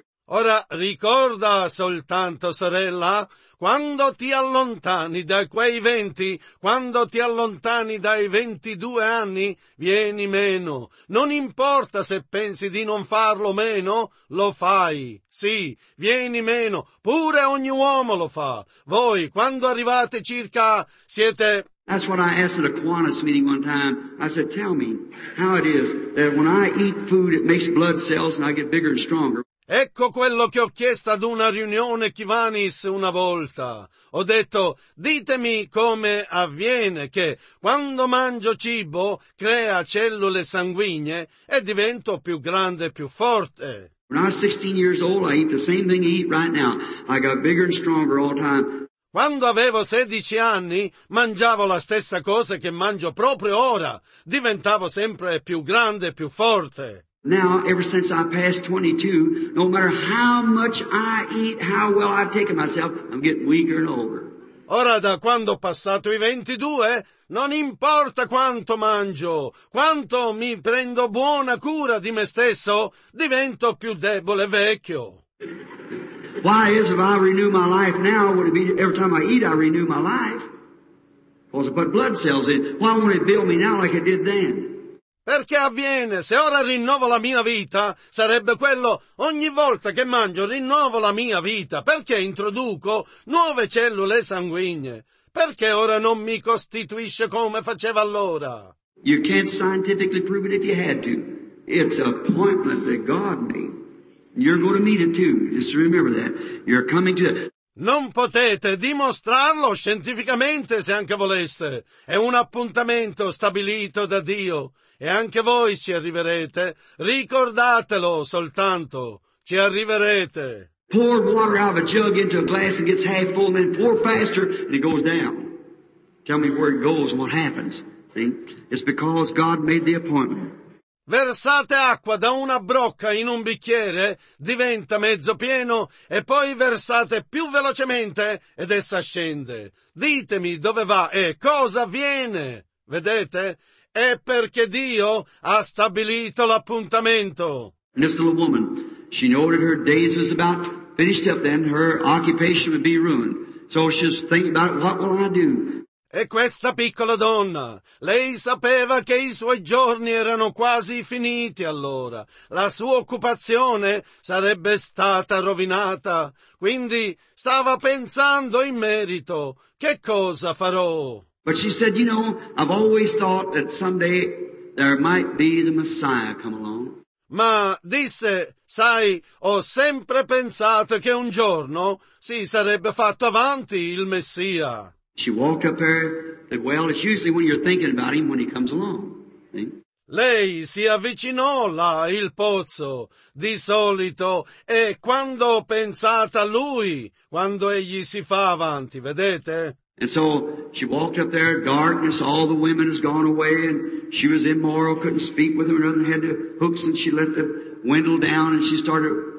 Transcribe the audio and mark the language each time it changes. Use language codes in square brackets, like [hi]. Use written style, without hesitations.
[it] Ora, ricorda soltanto, sorella, quando ti allontani da quei 20, quando ti allontani dai 22 anni, vieni meno. Non importa se pensi di non farlo meno, lo fai. Sì, vieni meno. Pure ogni uomo lo fa. Voi, quando arrivate circa, siete... [en] That's what I asked at a Kiwanis meeting one time. I said, "Tell me how it is that when I eat food it makes blood cells and I get bigger and stronger." [it] Ecco quello che ho chiesto ad una riunione Kiwanis una volta. Ho detto, ditemi come avviene che quando mangio cibo crea cellule sanguigne e divento più grande e più forte. [en] When I was 16 years old, I eat the same thing I eat right now. I got bigger and stronger all the time. [it] Quando avevo 16 anni, mangiavo la stessa cosa che mangio proprio ora. Diventavo sempre più grande e più forte. [en] Now, ever since I passed 22, no matter how much I eat, how well I take myself, I'm getting weaker and older. [it] Ora, da quando ho passato i 22, non importa quanto mangio, quanto mi prendo buona cura di me stesso, divento più debole e vecchio. [en] Why is if I renew my life now, would it be every time I eat I renew my life? Because I put blood cells in, why won't it build me now like it did then? [it] Perché avviene, se ora rinnovo la mia vita, sarebbe quello, ogni volta che mangio rinnovo la mia vita, perché introduco nuove cellule sanguigne? Perché ora non mi costituisce come faceva allora? [en] You can't scientifically prove it if you had to. It's an appointment that God made. You're going to meet it too. Just remember that. You're coming to it. [it] Non potete dimostrarlo scientificamente se anche voleste. È un appuntamento stabilito da Dio. E anche voi ci arriverete. Ricordatelo soltanto. Ci arriverete. [en] Pour water out of a jug into a glass and gets half full and then pour faster and it goes down. Tell me where it goes and what happens. See? It's because God made the appointment. [it] Versate acqua da una brocca in un bicchiere, diventa mezzo pieno, e poi versate più velocemente ed essa scende. Ditemi dove va e cosa avviene. Vedete? È perché Dio ha stabilito l'appuntamento. [en] This little woman, she knew that her days was about finished up then, her occupation would be ruined. So she's thinking about what will I do? [it] E questa piccola donna, lei sapeva che i suoi giorni erano quasi finiti allora. La sua occupazione sarebbe stata rovinata. Quindi stava pensando in merito. Che cosa farò? [en] But she said, you know, I've always thought that someday there might be the Messiah come along. [it] Ma disse, sai, ho sempre pensato che un giorno si sarebbe fatto avanti il Messia. [en] She walked up there and said, well, it's usually when you're thinking about him when he comes along. See? [it] Lei si avvicinò là il pozzo, di solito, e quando pensate a lui, quando egli si fa avanti, vedete? [en] And so she walked up there, darkness, all the women has gone away, and she was immoral, couldn't speak with them, another had the hooks, and she let the windle down, and she started...